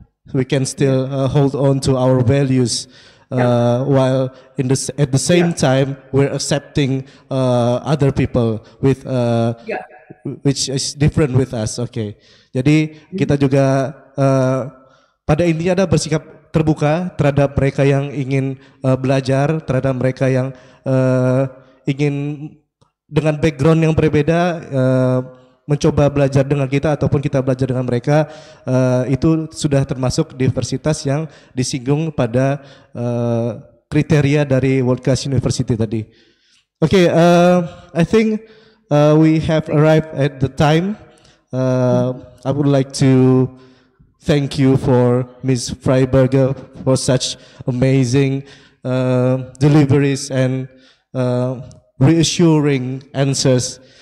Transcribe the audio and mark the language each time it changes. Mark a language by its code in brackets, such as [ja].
[en] We can still hold on to our values while in the, at the same time we're accepting other people with which is different with us. [id] Okay, jadi kita juga pada intinya ada bersikap terbuka terhadap mereka yang ingin belajar, terhadap mereka yang ingin dengan background yang berbeda mencoba belajar dengan kita ataupun kita belajar dengan mereka, itu sudah termasuk diversitas yang disinggung pada kriteria dari World Class University tadi. [en] Okay, I think we have arrived at the time. I would like to thank you for Ms. Freiberger for such amazing deliveries and reassuring answers.